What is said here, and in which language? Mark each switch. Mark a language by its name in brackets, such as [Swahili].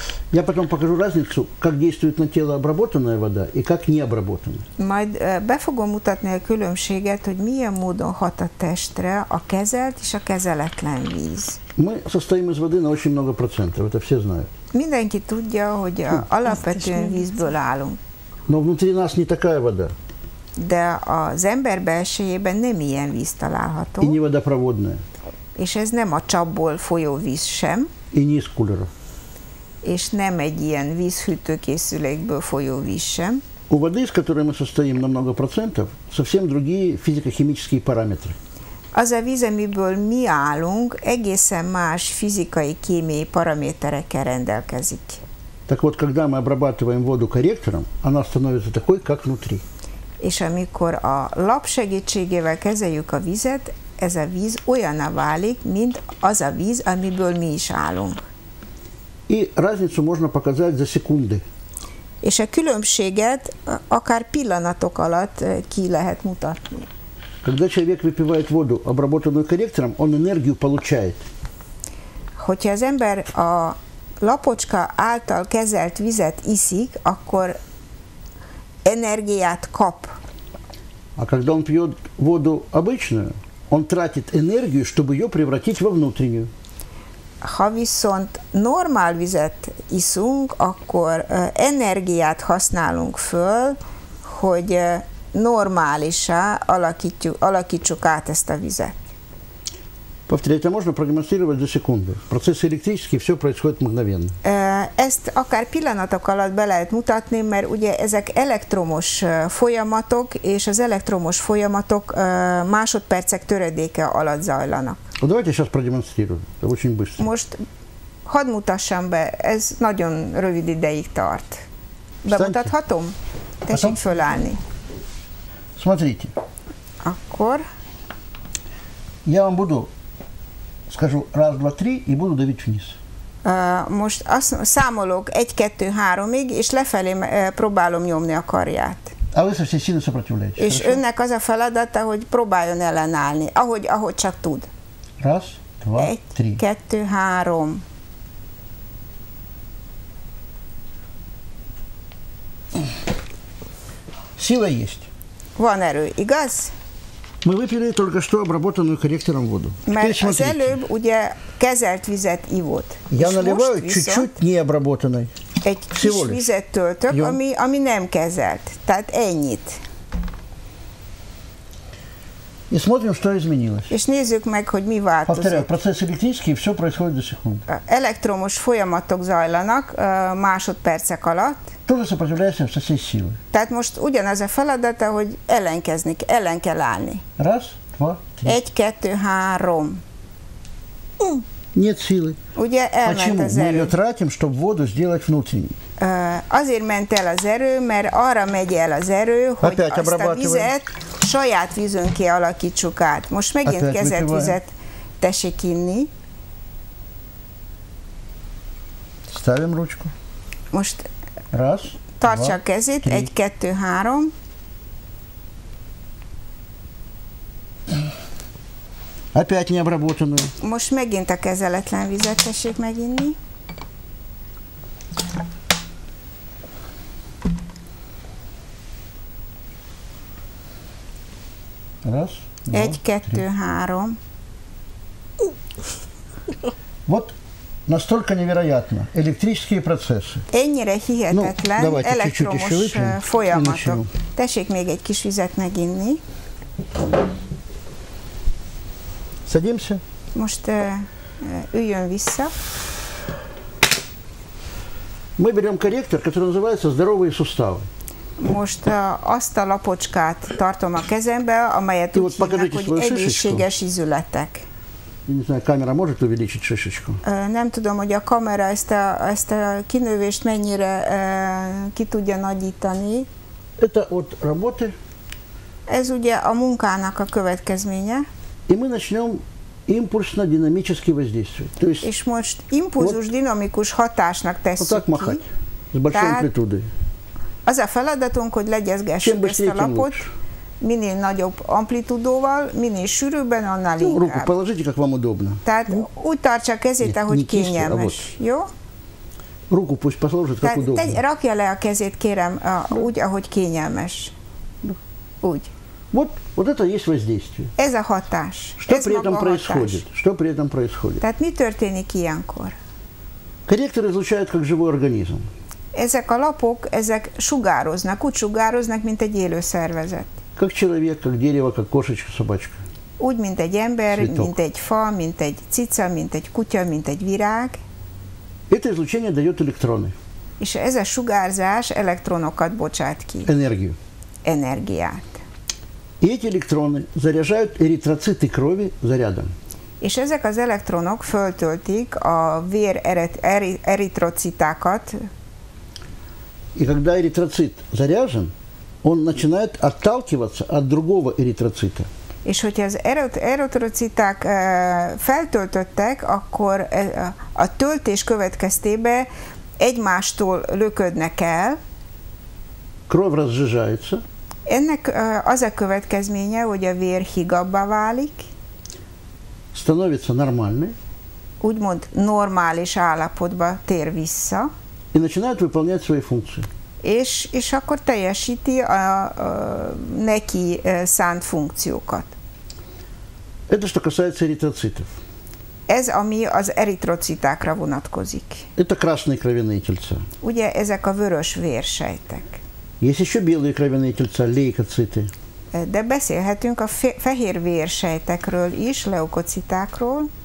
[Russian] Я потом покажу разницу, как действует на тело обработанная вода и как необработанная. [Hungarian] Majd be fogom mutatni a különbséget, hogy milyen módon hat a testre a kezelt és a kezeletlen víz. [Russian] Мы состоим из воды на очень много процентов, это все знают. [Hungarian] Mindenki tudja, hogy alapvetően vízből állunk. [Russian] Но внутри нас не такая вода. [Hungarian] De az ember belsejében nem ilyen víz található. [Russian] И не водопроводная. [Hungarian] És ez nem a csapból folyó víz sem. [Russian] И не из кулера. [Hungarian] És nem egy ilyen vízhűtőkészülékből folyó víz sem. [Russian] У воды, из которой мы состоим на много процентов, совсем другие физико-химические параметры. [Hungarian] Az a víz, amiből mi állunk, egészen más fizikai, kémiai paraméterekkel rendelkezik. [Russian] Так вот, когда мы обрабатываем воду корректором, она становится такой, как внутри. [Hungarian] És amikor a lap segítségével kezeljük a vizet, ez a víz olyan válik, mint az a víz, amiből mi is állunk. [Russian] И разницу можно показать за секунды. [Hungarian] És a különbséget akár pillanatok alatt ki lehet mutatni. [Russian] Когда человек выпивает воду, обработанную корректором, он энергию получает. [Hungarian] hogyha az ember a lapocska által kezelt vizet iszik, akkor energiát kap. [Russian] А когда он пьет воду обычную, он тратит энергию, чтобы ее превратить во внутреннюю. [Hungarian] Ha viszont normál vizet iszunk, akkor energiát használunk föl, hogy normálisá alakítsuk át ezt a vizet. [Russian] Повторяю, это можно программировать за секунды. Процесс электрический, все происходит мгновенно. [Hungarian] Ezt akár pillanatok alatt be lehet mutatni, mert ugye ezek elektromos folyamatok, és az elektromos folyamatok másodpercek töredéke alatt zajlanak. [Russian] Давайте сейчас продемонстрирую. Это очень быстро. [Hungarian] Most hadd mutassam be, ez nagyon rövid ideig tart. Bemutathatom? Tessék fölállni. [Russian] Смотрите. [Hungarian] Akkor. [Russian] Я вам буду, скажу, раз, два, три, и буду давить вниз. [Hungarian] Most azt számolok 1-2-3-ig, és lefelé próbálom nyomni a karját. [Russian] А вы со всей силы сопротивляетесь. [Hungarian] És [Russian] хорошо? [Hungarian] Önnek az a feladata, hogy próbáljon ellenállni, ahogy csak tud. [Russian] Раз, два, [Hungarian] egy, [Russian] три. [Hungarian] 1-2-3. [Russian] Сила есть. [Hungarian] Van erő, igaz? [Russian] Мы выпили только что обработанную корректором воду. [Hungarian] Mert [Russian] теперь смотрите. [Hungarian] Az előbb, ugye, kezelt vizet ivott. [Russian] Я [Hungarian] és [Russian] наливаю чуть-чуть необработанной. [Hungarian] Egy kis vizet töltök, ami nem kezelt. Tehát ennyit. [Russian] И смотрим, что изменилось. [Hungarian] És nézzük meg, hogy mi változott. [Russian] Повторяю, процесс электрический, все происходит до секунды. [Hungarian] Elektromos folyamatok zajlanak másodpercek alatt. [Russian] Тоже сопротивляешься со всей силы. [Hungarian] Tehát most ugyanaz a feladata, hogy ellenkezni, ellen kell állni. [Russian] Раз, два, три. [Hungarian] Egy, kettő, három. [Russian] Нет силы. [Hungarian] Ugye elment [Russian] Почему? [Hungarian] Az erő. [Russian] Мы ее тратим, чтобы воду сделать внутренней. [Hungarian] Azért ment el az erő, mert arra megy el az erő, hogy [Russian] Опять [Hungarian] azt a vizet saját vízönké alakítsuk át. Most megint [Russian] Опять [Hungarian] kezelt [Russian] выпиваем. [Hungarian] Vizet tessék inni. [Russian] Ставим ручку. [Hungarian] Most [Russian] Раз, [Hungarian] tartsa [Russian] два, [Hungarian] a kezét. [Russian] Три. [Hungarian] Egy, kettő, három. [Russian] Опять необработанную. [Hungarian] Most megint a kezeletlen vizet tessék meginni. [Russian] Раз, [Hungarian] Egy, [Russian] два, [Hungarian] kettő, [Russian] три. [Hungarian] Három. [Russian] Вот настолько невероятно электрические процессы. [Hungarian] Ennyire hihetetlen [Russian] ну, [Hungarian] elektromos folyamatok. Tessék még egy kis vizet meginni. [Russian] Садимся. [Hungarian] Most üljön vissza. [Russian] Мы берем корректор, который называется «Здоровые суставы». [Hungarian] Most azt a lapocskát tartom a kezembe, amelyet úgy hívnak, hogy egészséges ízületek. [Russian] Камера может увеличить шишечку? [Hungarian] Nem tudom, hogy a kamera ezt a kinövést mennyire ki tudja nagyítani. [Russian] Это от работы. [Hungarian] Ez ugye a munkának a következménye. [Russian] И мы начнем импульсно-динамически воздействовать. То есть, [Hungarian] és most [Russian] импульсус-динамикус [Hungarian] hatásnak tesszük [Russian] вот [Hungarian] ki. [Russian] Махать, с большой амплитудой. [Hungarian] Az a feladatunk, hogy legyezgessük ezt a lapot. Minél nagyobb amplitudóval, minél sűrűbben, annál inkább. [Russian] Руку положите, как вам удобно. [Hungarian] Tehát úgy tartsa a kezét, ahogy kényelmes. Jó? [Russian] Руку пусть положит, как удобно. [Hungarian] Rakja le a kezét, kérem, úgy, ahogy kényelmes. Úgy. [Russian] Вот это есть воздействие. [Hungarian] Ez a hatás. [Russian] Что при этом происходит? Что при этом происходит? [Hungarian] Tehát mi történik ilyenkor? [Russian] Корректор излучает, как живой организм. [Hungarian] Ezek a lapok, ezek sugároznak, úgy sugároznak, mint egy élő szervezet. [Russian] Как человек, как дерево, как кошечка, собачка. [Hungarian] Úgy, mint egy ember, [Russian] Cветок. [Hungarian] Mint egy fa, mint egy cica, mint egy kutya, mint egy virág. [Russian] Это излучение дает электроны. [Hungarian] És ez a sugárzás elektronokat bocsát ki. [Russian] Энергию. [Hungarian] Энергиát. [Russian] И эти электроны заряжают эритроциты крови зарядом. [Hungarian] És ezek az elektronok föltöltik a vér eritrocitákat. [Russian] И когда эритроцит заряжен, он начинает отталкиваться от другого эритроцита. [Hungarian] És hogyha az eritrociták feltöltöttek, akkor a töltés következtében egymástól löködnek el. [Russian] Кровь разжижается. [Hungarian] Ennek az a következménye, hogy a vér higabbá válik. [Russian] Становится нормальной. [Hungarian] úgymond normális állapotba tér vissza. [Russian] И начинает выполнять свои функции. [Hungarian] És akkor teljesíti a neki szánt funkciókat. [Russian] Это что касается эритроцитов. [Hungarian] Ez, ami az eritrocitákra vonatkozik. [Russian] Это красные кровяные тельца. [Hungarian] Ugye, ezek a vörös vérsejtek. [Russian] Есть еще белые кровяные тельца, лейкоциты. [Hungarian] De beszélhetünk a fehér vérsejtekről is, leukocitákról.